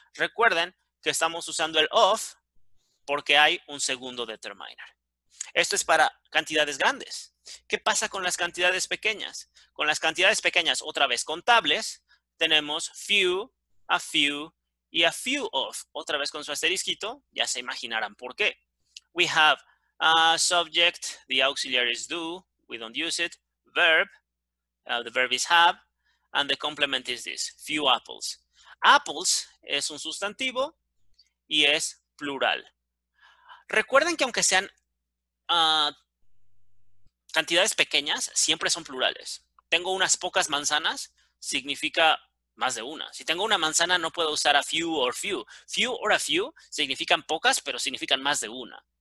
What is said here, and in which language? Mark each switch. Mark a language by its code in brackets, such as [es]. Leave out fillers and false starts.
[es] Recuerden que estamos usando el of porque hay un segundo determiner. Esto es para cantidades grandes. ¿Qué pasa con las cantidades pequeñas? Con las cantidades pequeñas, otra vez contables, tenemos few, a few, y a few of. Otra vez con su asterisquito, ya se imaginarán por qué. [en] We have a subject, the auxiliary is do, we don't use it, verb, the verb is have, and the complement is this, few apples. [es] Apples es un sustantivo y es plural. Recuerden que aunque sean cantidades pequeñas, siempre son plurales. Tengo unas pocas manzanas, significa más de una. Si tengo una manzana, no puedo usar [en] a few or few. Few or a few [es] significan pocas, pero significan más de una.